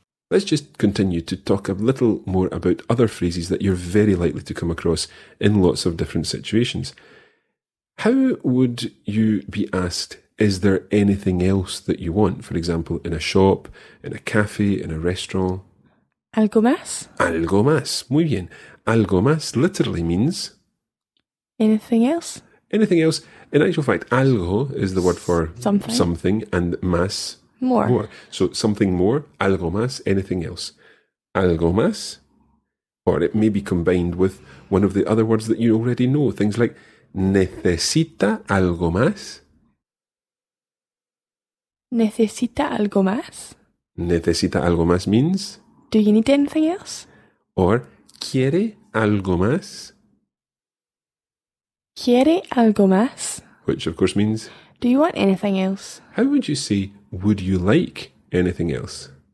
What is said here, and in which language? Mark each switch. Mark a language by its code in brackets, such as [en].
[en] Let's just continue to talk a little more about other phrases that you're very likely to come across in lots of different situations. How would you be asked, is there anything else that you want? For example, in a shop, in a cafe, in a restaurant. [es] ¿Algo más? Algo más. Muy bien. [en] Algo más literally means... anything else? Anything else. In actual fact, algo is the word for something, something and más, more. So something more, algo más, anything else. Algo más, or it may be combined with one of the other words that you already know. [es] Things like, necesita algo más. Necesita algo más. Necesita algo más means? [en] Do you need anything else? [es] Or, quiere algo más. ¿Quiere algo más? [en] Which, of course, means... do you want anything else? How would you say, would you like anything else?